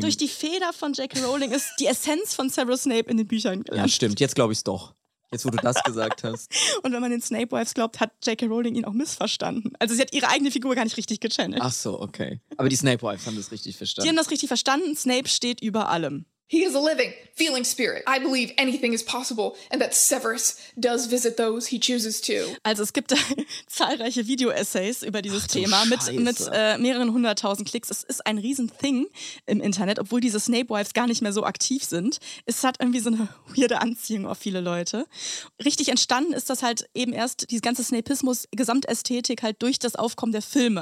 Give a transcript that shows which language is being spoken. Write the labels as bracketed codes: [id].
[de] Durch die Feder von J.K. Rowling ist die Essenz von Severus Snape in den Büchern gelandet. Ja, stimmt. Jetzt glaube ich es doch. Jetzt, wo du das gesagt hast. Und wenn man den Snape-Wives glaubt, hat J.K. Rowling ihn auch missverstanden. Also sie hat ihre eigene Figur gar nicht richtig gechannelt. Ach so, okay. Aber die Snape-Wives haben das richtig verstanden. Die haben das richtig verstanden. Snape steht über allem. [en] He is a living, feeling spirit. I believe anything is possible and that Severus does visit those he chooses to. [de] Also es gibt da zahlreiche Video-Essays über dieses Thema mit mehreren hunderttausend Klicks. Es ist ein riesen Thing im Internet, obwohl diese Snape-Wives gar nicht mehr so aktiv sind. Es hat irgendwie so eine weirde Anziehung auf viele Leute. Richtig entstanden ist das halt eben erst, dieses ganze Snapismus-Gesamtästhetik halt durch das Aufkommen der Filme.